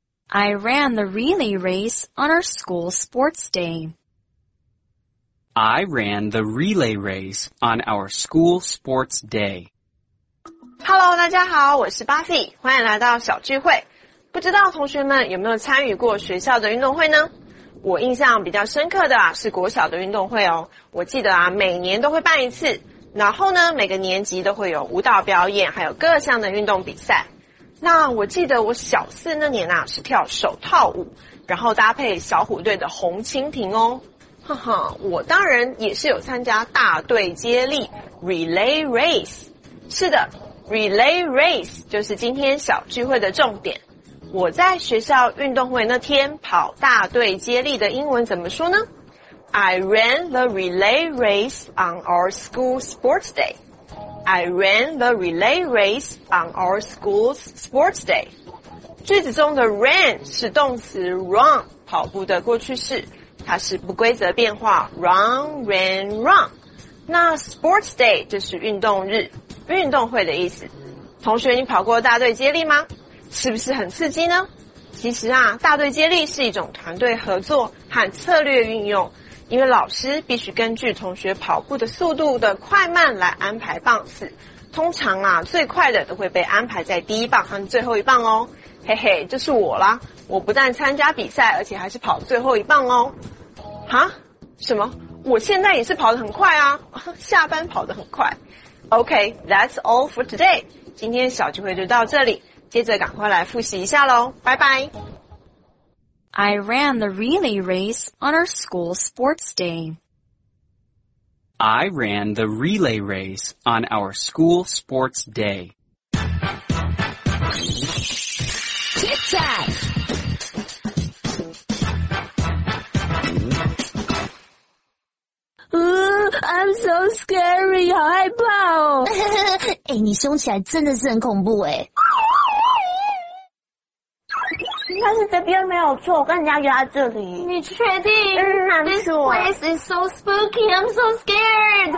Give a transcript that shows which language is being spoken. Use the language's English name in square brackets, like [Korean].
[English] I ran the relay race on our school sports day. I ran the relay race on our school sports day. [Chinese] Hello, 大家好，我是巴菲，欢迎来到小聚会。不知道同学们有没有参与过学校的运动会呢？我印象比较深刻的、啊、是国小的运动会哦。我记得啊，每年都会办一次，然后呢，每个年级都会有舞蹈表演，还有各项的运动比赛。那我记得我小四那年啊，是跳手套舞，然后搭配小虎队的红蜻蜓哦。哈哈，我当然也是有参加大队接力 relay race。是的， Relay Race 就是今天小聚会的重点。我在学校运动会那天跑大队接力的英文怎么说呢？ [English] I ran the relay race on our school sports day. I ran the relay race on our school's sports day. [Chinese] 句子中的 ran 是动词 run 跑步的过去式，它是不规则变化 run, ran, run。那 sports day 就是运动日，运动会的意思。同学，你跑过大队接力吗？是不是很刺激呢？其实啊，大队接力是一种团队合作和策略运用，因为老师必须根据同学跑步的速度的快慢来安排棒次，通常啊，最快的都会被安排在第一棒和最后一棒哦。嘿嘿，就是我啦，我不但参加比赛，而且还是跑最后一棒哦。蛤？什么？我现在也是跑得很快啊，下班跑得很快。 [English] OK, that's all for today. [Chinese] 今天小聚会就到这里，接着赶快来复习一下咯，拜拜。 [English] I ran the relay race on our school sports day. I ran the relay race on our school sports day. Tic-tac! I'm so scary, [Chinese] 好害怕哦。欸，你凶起来真的是很恐怖欸。他是这边没有错，我跟人家约在这里。你确定？嗯，没错。 [English] This place is so spooky, I'm so scared.